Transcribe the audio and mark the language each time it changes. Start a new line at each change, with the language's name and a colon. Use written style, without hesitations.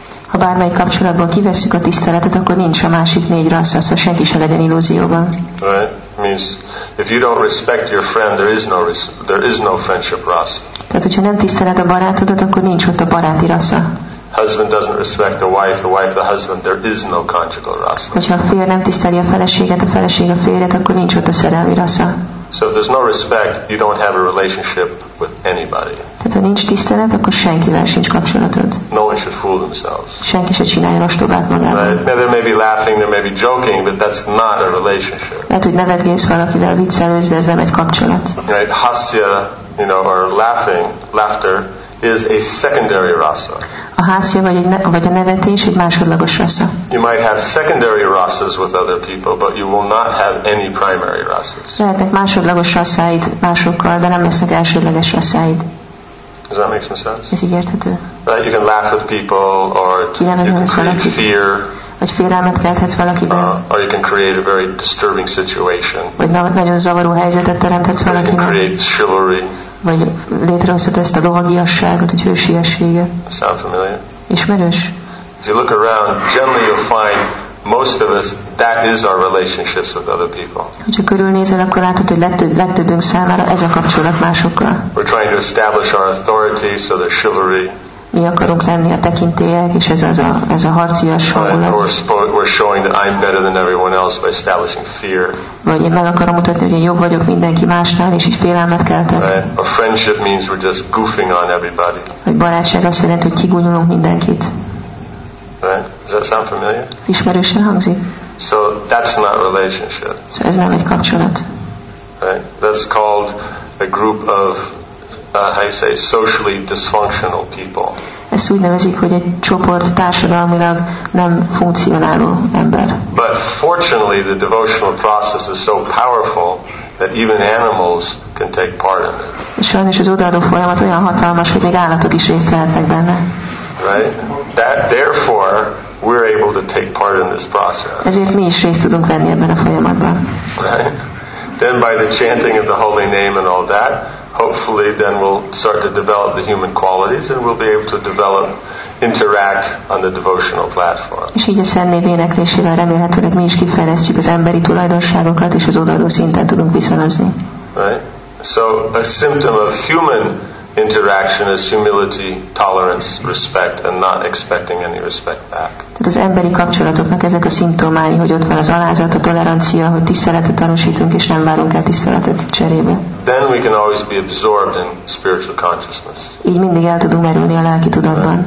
Hungarian: Ha bármely kapcsolatból kivesszük a tiszteletet, akkor nincs a másik négy rassza, szóval senki se legyen illúzióban.
English: Right? Means if you don't respect your friend, there is no friendship rassza.
Hungarian: Tehát hogyha nem tiszteled a barátodat, akkor nincs ott a baráti rassza.
English: Husband doesn't respect the wife the husband, there is no conjugal rassza.
Hungarian: Hogyha a férj nem tiszteli a feleség a férjet, akkor nincs ott a szerelmi rassza.
English: So if there's no respect, you don't have a relationship with anybody.
Hungarian: Tehát ha nincs tisztelet, akkor senkivel sincs kapcsolatod.
English: No one should fool themselves.
Hungarian: Senki se csinálja ostobát magát.
English: Right? There may be laughing, there may be joking, but that's not a relationship.
Hungarian: Lehet, hogy nevetgész valakivel, viccelősz, de ez nem egy kapcsolat.
English: Right? Hasya, you know, or laughing, laughter is a secondary rasa.
Hungarian: A hasya vagy a nevetés egy másodlagos rasa.
English: You might have secondary rasas with other people, but you will not have any primary rasas.
Hungarian: Lehetnek másodlagos rasáid másokkal, de nem lesznek elsődleges rasáid.
English: Does that make some sense?
Hungarian: Ez így érthető.
English: Right, you can laugh with people, or you can create fear.
Hungarian: Vagy félelmet kelthetsz valakiben.
English: Or you can create a very disturbing situation.
Hungarian: Vagy nagyon zavaró helyzetet teremthetsz valakinek.
English: You can create chivalry.
Hungarian: Vagy létrehozhat ezt a lovagiasságot, hogy hősiességet.
English: Sound familiar?
Hungarian: Ismerős?
English: If you look around, generally you'll find most of us, that is our relationships with other people.
Hungarian: Hogyha körülnézel, akkor látod, hogy legtöbbünk számára ez a kapcsolat másokkal.
English: We're trying to establish our authority, so the chivalry.
Hungarian: Mi akarunk lenni a tekintélyek, és ez a harcias hangulat. Vagy én meg akarom mutatni, hogy én jobb vagyok mindenki másnál, és így félelmet keltek.
English: A friendship means we're just goofing on everybody.
Hungarian: Vagy barátság azt jelenti, hogy kigúnyolunk mindenkit.
English: Does that sound familiar?
Hungarian: Ismerősen hangzik.
English: So that's not relationship.
Hungarian: So ez nem egy kapcsolat.
English: Right? That's called a group of how you say socially dysfunctional people.
Hungarian: Ezt úgy nevezik, hogy egy csoport társadalmilag nem funkcionáló ember.
English: But fortunately, the devotional process is so powerful that even animals can take part in it.
Hungarian: Sajnos az odaadó folyamat olyan hatalmas, hogy még állatok is részt vehetnek benne.
English: Right? That therefore we're able to take part in this process.
Hungarian: Ezért mi is részt tudunk venni ebben a folyamatban.
English: Right? Then by the chanting of the holy name and all that, hopefully then we'll start to develop the human qualities and we'll be able to develop, interact on the devotional platform.
Hungarian: És így a Szent Név éneklésével remélhetőleg mi is kifejlesztjük az emberi tulajdonságokat és az odaadó szinten tudunk viszonozni.
English: Right? So a symptom of human interaction is humility, tolerance, respect, and not expecting any respect back.
Hungarian: Tehát az emberi kapcsolatoknak ezek a szimptomái, hogy ott van az alázat, a tolerancia, hogy tiszteletet tanúsítunk, és nem várunk el tiszteletet cserébe.
English: Then we can always be absorbed in spiritual consciousness.
Hungarian: Így mindig el tudunk merülni a lelki tudatban.